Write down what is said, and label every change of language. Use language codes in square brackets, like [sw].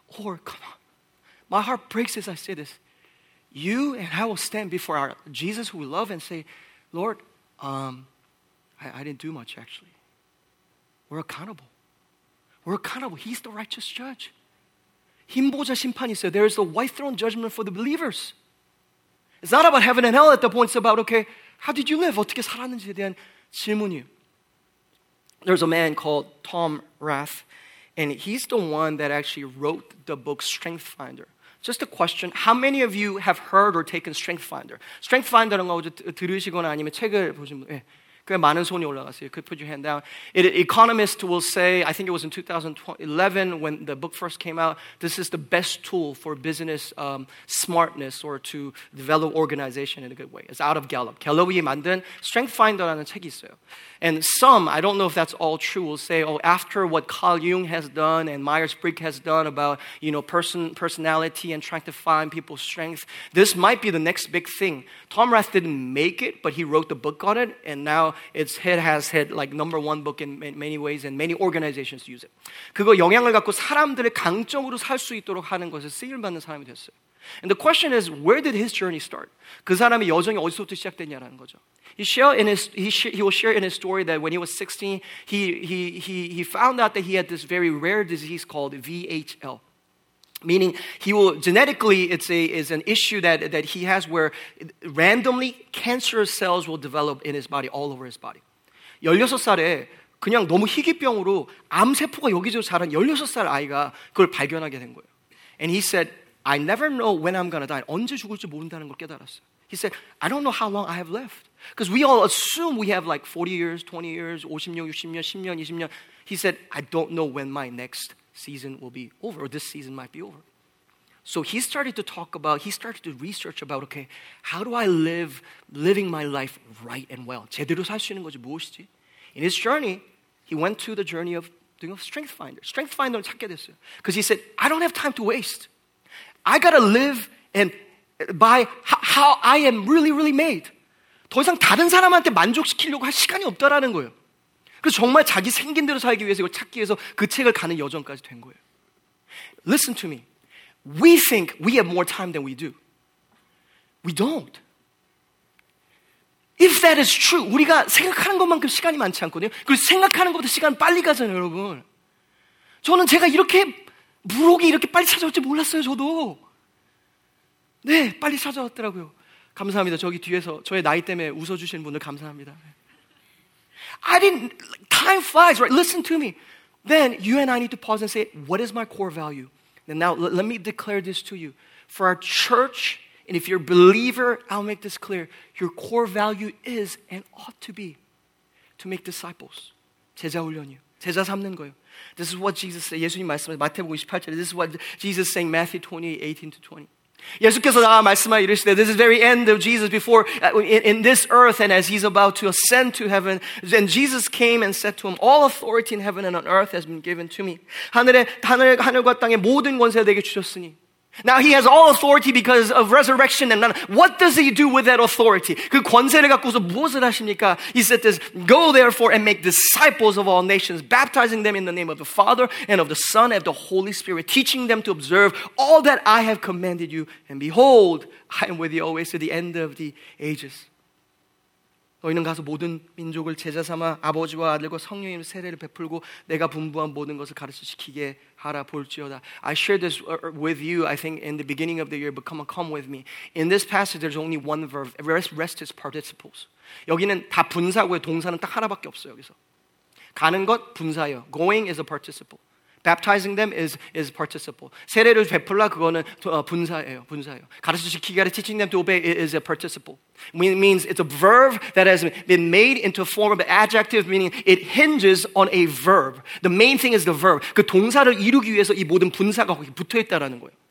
[en] Or, come on, my heart breaks as I say this. You and I will stand before our Jesus who we love and say, Lord, I didn't do much actually. We're accountable. We're accountable. He's the righteous judge. [ko] 힘보좌 심판이 있어요. [en] There is the white throne judgment for the believers. It's not about heaven and hell at the point. It's about, okay, how did you live? [ko] 어떻게 살았는지에 대한 질문이에요. [en] There's a man called Tom Rath, and he's the one that actually wrote the book Strength Finder. Just a question, how many of you have heard or taken Strength Finder? [ko] Strength Finder는 거 들으시거나 아니면 책을 보신 분, 예. 꽤 많은 손이 올라갔어요. [en] Could put your hand down. Economists will say, I think it was in 2011 when the book first came out, this is the best tool for business smartness or to develop organization in a good way. It's out of Gallup. [ko] Gallup이 만든 Strength Finder라는 책이 있어요. [en] And some, I don't know if that's all true, will say, oh, after what Carl Jung has done and Myers-Briggs has done about, you know, personality and trying to find people's strength, this might be the next big thing. Tom Rath didn't make it, but he wrote the book on it, and now it's hit like number one book in many ways, and many organizations use it. [ko] 그거 영향을 갖고 사람들의 강점으로 살 수 있도록 하는 것에 쓰임 받는 사람이 됐어요. [en] And the question is, where did his journey start? [ko] 그 사람의 여정이 어디서부터 시작됐냐라는 거죠. [en] He will share in his story that when he was 16, he found out that he had this very rare disease called VHL. Meaning, genetically, it's an issue that he has where randomly cancerous cells will develop in his body, all over his body. [ko] 16살에 그냥 너무 희귀병으로 암세포가 여기저기 자란 16살 아이가 그걸 발견하게 된 거예요. [en] And he said, I never know when I'm going to die. [ko] 언제 죽을지 모른다는 걸 깨달았어요. [en] He said, I don't know how long I have left. Because we all assume we have like 40 years, 20 years, [ko] 50년, 60년, 10년, 20년. [en] He said, I don't know when my next season will be over, or this season might be over. So he started to research about, okay, how do I living my life right and well? [ko] 제대로 살 수 있는 것이 무엇이지? [en] In his journey, he went to the journey of doing a strength finder. [ko] Strength finder 찾게 됐어요. [en] Because he said, I don't have time to waste. I gotta live and by how I am really, really made. [ko] 더 이상 다른 사람한테 만족시키려고 할 시간이 없다라는 거예요. 그래서 정말 자기 생긴 대로 살기 위해서 이걸 찾기 위해서 그 책을 가는 여정까지 된 거예요. [en] Listen to me. We think we have more time than we do. We don't. If that is true, [ko] 우리가 생각하는 것만큼 시간이 많지 않거든요. 그리고 생각하는 것보다 시간 빨리 가잖아요, 여러분. 저는 제가 이렇게 무록이 이렇게 빨리 찾아왔지 몰랐어요, 저도. 네, 빨리 찾아왔더라고요. 감사합니다. 저기 뒤에서 저의 나이 때문에 웃어주시는 분들 감사합니다. [en] Time flies, right? Listen to me. Then you and I need to pause and say, what is my core value? And now let me declare this to you. For our church, and if you're a believer, I'll make this clear. Your core value is and ought to be to make disciples. [ko] 제자 훈련이요. 제자 삼는 거예요. [en] This is what Jesus said. [ko] 예수님 말씀하신 마태복음 28절. [en] This is what Jesus saying Matthew 28, 18 to 20. [ko] 예수께서 나와 말씀하 이르시되 [en] This is very end of Jesus before in this earth and as he's about to ascend to heaven. Then Jesus came and said to him, All authority in heaven and on earth has been given to me. [ko] 하늘과 땅의 모든 권세를 내게 주셨으니. [en] Now he has all authority because of resurrection and what does he do with that authority? [ko] 그 권세를 갖고서 무엇을 하십니까? [en] He said this, Go therefore and make disciples of all nations, baptizing them in the name of the Father and of the Son and of the Holy Spirit, teaching them to observe all that I have commanded you. And behold, I am with you always to the end of the ages. [ko] 너희는 가서 모든 민족을 제자 삼아 아버지와 아들과 성령의 세례를 베풀고 내가 분부한 모든 것을 가르쳐 시키게 하라 볼지어다. [en] I shared this with you, I think, in the beginning of the year, but come with me. In this passage, there's only one verb. Rest is participles. [ko] 여기는 다 분사고요. 동사는 딱 하나밖에 없어요, 여기서. 가는 것, 분사요. [en] Going is a participle. Baptizing them is participle. [ko] 세례를 베풀라 그거는 분사예요. 분사예요. 가르쳐 시키게 하라, [en] teaching them to obey is a participle. It means it's a verb that has been made into a form of an adjective, meaning it hinges on a verb. The main thing is the verb. [ko] 그 동사를 이루기 위해서 이 모든 분사가 거기 붙어있다라는 거예요.